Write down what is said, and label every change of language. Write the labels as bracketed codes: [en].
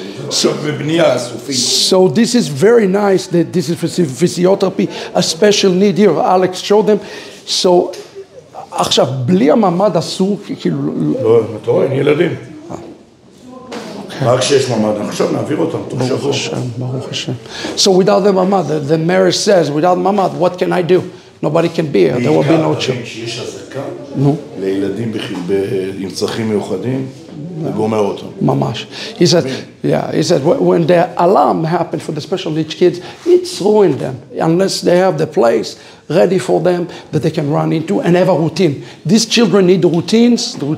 [en] So this is very nice that this is physiotherapy, a special need here. Alex, show them. [he] So, עכשיו, בלי הממד אסור, כאילו... לא, אתה רואה, אין ילדים. רק שיש ממד, עכשיו נעביר אותם, תוך שבוע. ברוך השם, ברוך השם. [en] So without the ממד, the mayor says, without the ממד, what can I do? Nobody can be here, there will be no children. [he] יש עזקה לילדים עם צרכים מיוחדים. Mamash. [en] He said, yeah, he said, when the alarm happened for the special needs kids, it's ruined them. Unless they have the place ready for them that they can run into and have a routine. These children need routines.